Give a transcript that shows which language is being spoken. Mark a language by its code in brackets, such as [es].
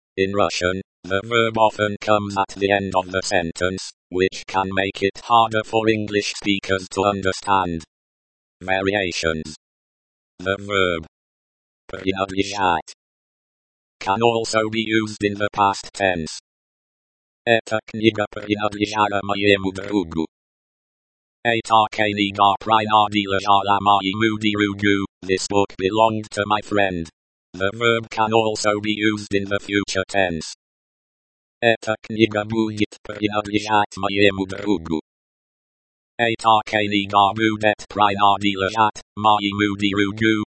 [en] In Russian, the verb often comes at the end of the sentence, which can make it harder for English speakers to understand. Variations. The verb [ru] принадлежать [en] can also be used in the past tense. [ru] Эта книга принадлежала моему другу. Эта книга принадлежала моему другу. [en] This book belonged to my friend. The verb can also be used in the future tense. [ru] Эта книга будет принадлежать моему другу. Эта книга будет принадлежать моему другу.